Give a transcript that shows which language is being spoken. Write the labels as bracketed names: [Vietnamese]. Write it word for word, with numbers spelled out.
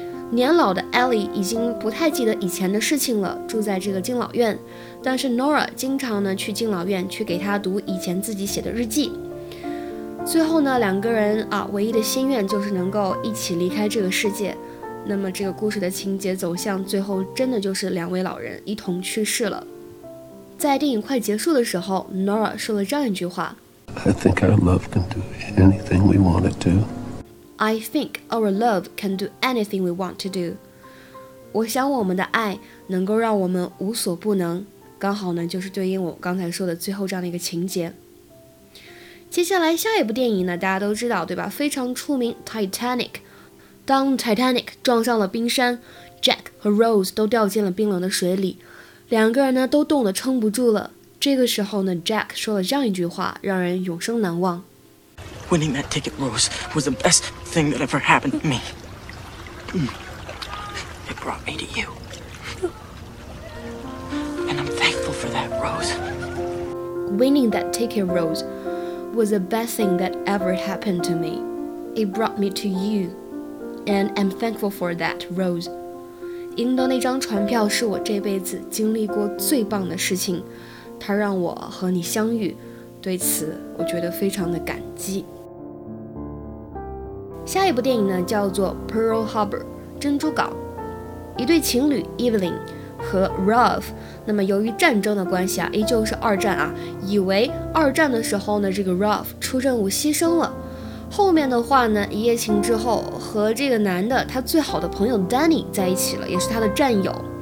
[Chinese] 年老的 Ellie 已经不太记得以前的事情了，住在这个敬老院，但是 Nora 经常呢去敬老院去给他读以前自己写的日记。最后呢，两个人啊，唯一的心愿就是能够一起离开这个世界。那么这个故事的情节走向，最后真的就是两位老人一同去世了。在电影快结束的时候 ，Nora 说了这样一句话 [English] ：“I think our love can do anything we want it to.” I think our love can do anything we want to do. [Chinese] 我想我们的爱能够让我们无所不能。刚好呢，就是对应我刚才说的最后这样的一个情节。接下来下一部电影呢，大家都知道对吧，非常出名 Titanic。当 Titanic 撞上了冰山， Jack 和 Rose 都掉进了冰冷的水里，两个人呢都冻得撑不住了。这个时候呢， Jack 说了这样一句话，让人永生难忘。 [English] Winning that ticket, Rose, was the best thing that ever happened to me. It brought me to you. And I'm thankful for that, Rose. Winning that ticket, Rose. was the best thing that ever happened to me. It brought me to you, and I'm thankful for that, Rose. [Chinese] 赢得那张船票是我这辈子经历过最棒的事情，它让我和你相遇，对此我觉得非常的感激。下一部电影呢叫做 Pearl Harbor 珍珠港，一对情侣 Evelyn 和 Ralph， 那么由于战争的关系啊，依旧是二战啊，以为二战的时候呢这个 Ralph 出任务牺牲了，后面的话呢一夜情之后和这个男的他最好的朋友 Danny 在一起了，也是他的战友。